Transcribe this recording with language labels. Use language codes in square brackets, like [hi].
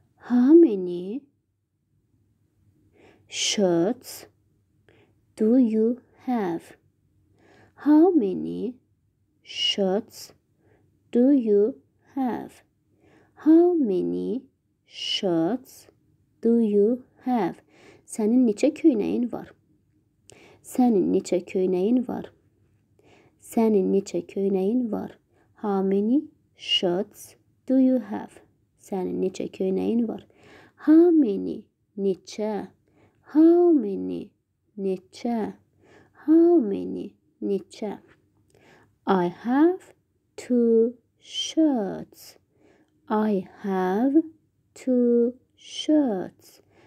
[en] How many shirts do you have? How many shirts do you have? How many shirts do you have? [az] Senin neçə köynəyin var? Senin neçə köynəyin var? Senin neçə köynəyin var? [en] How many shirts do you have? [az] Senin neçə köynəyin var? [en] How many neçə? How many neçə? How many neçə? I have two shirts. I have two shirts.